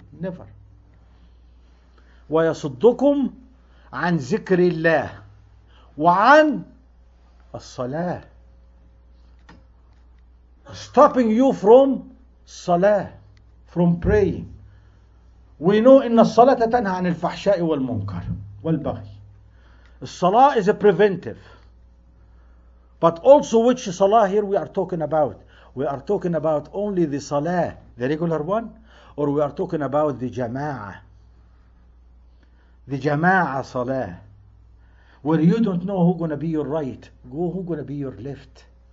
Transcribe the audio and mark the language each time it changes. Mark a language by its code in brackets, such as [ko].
[en] Never. [ar] وَيَصُدُّكُمْ عَنْ ذِكْرِ اللَّهِ وَعَنْ الصَّلَاةِ. [en] Stopping you from salah, from praying. We know [ar] إِنَّ الصَّلَاةَ تَنْهَى عَنِ الْفَحْشَاءِ وَالْمُنْكَرِ وَالْبَغِي. [en] الصَّلَاةِ is a preventive. But also, which salah here we are talking about? We are talking about only the salah, the regular one, or we are talking about the jama'ah? The jama'ah salah, where you don't know who's going to be your right, who's going to be your left.